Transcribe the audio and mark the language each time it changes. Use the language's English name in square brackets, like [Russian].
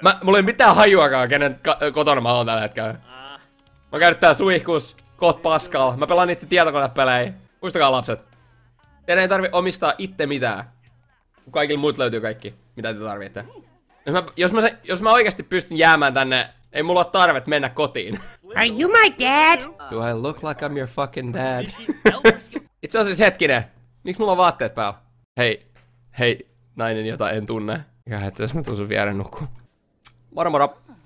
[Finnish] Mulla ei mitään hajuakaan, kenen kotona mä oon tällä hetkellä. Mä käyn täällä suihkus, koht paskaa, mä pelaan niitten tietokonepelejä. Muistakaa lapset. Teidän ei tarvi omistaa itse mitään. Kun kaikille muut löytyy kaikki, mitä te tarvitte. Jos mä oikeesti pystyn jäämään tänne, ei mulla ole tarvet mennä kotiin. [English] Are you my dad? Do I look like I'm your fucking dad? [Finnish] Itse asiassa hetkinen. Miks mulla on vaatteet päällä? Hei, nainen, jota en tunne. Mikä hetki, jos mä tuun sun viereen nukkuun. Moro moro.